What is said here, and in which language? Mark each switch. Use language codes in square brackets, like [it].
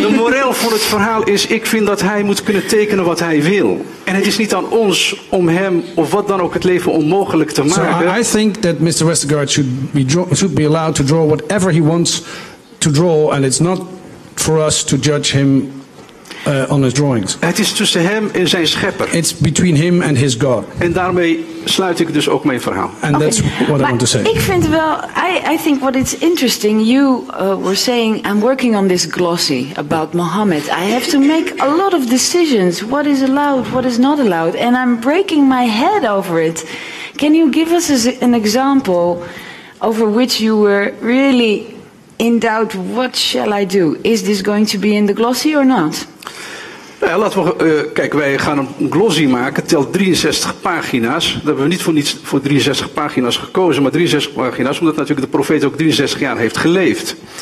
[nl] De moreel van het verhaal is, ik vind dat hij moet kunnen tekenen wat hij wil. En het is niet aan ons om hem of wat dan ook het leven onmogelijk te maken. [en] So I think that Mr. Westergaard should be allowed to draw whatever he wants to draw, and it's not for us to judge him on his drawings. [nl] Het is tussen hem en zijn schepper. [en] It's between him and his God. [nl] En daarmee sluit ik dus ook mijn verhaal. [en] And that's what I want to say. Ik vind wel, I think what it's interesting, you were saying, I'm working on this glossy about Mohammed. I have to make a lot of decisions. What is allowed, what is not allowed. And I'm breaking my head over it. Can you give us an example over which you were really in doubt, what shall I do? Is this going to be in the glossy or not? [nl] Ja, laten we, kijk, wij gaan een glossy maken. Het telt 63 pagina's. Dat hebben we niet voor niets voor 63 pagina's gekozen, maar 63 pagina's, omdat natuurlijk de profeet ook 63 jaar heeft geleefd.